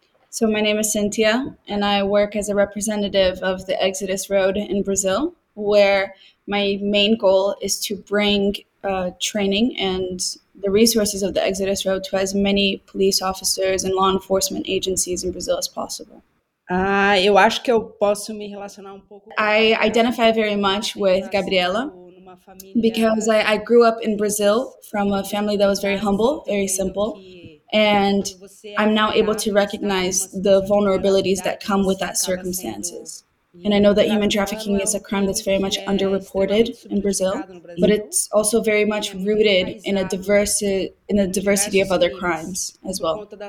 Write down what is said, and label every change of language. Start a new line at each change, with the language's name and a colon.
English: So my name is Cynthia, and I work as a representative of the Exodus Road in Brazil, where my main goal is to bring training and the resources of the Exodus Road to as many police officers and law enforcement agencies in Brazil as possible.
Portuguese: Eu acho que eu posso me relacionar um pouco.
English: I identify very much with Gabriela because I grew up in Brazil from a family that was very humble, very simple, and I'm now able to recognize the vulnerabilities that come with that circumstances. And I know that human trafficking is a crime that's very much underreported in Brazil, but it's also very much rooted in a diversity of other crimes as well.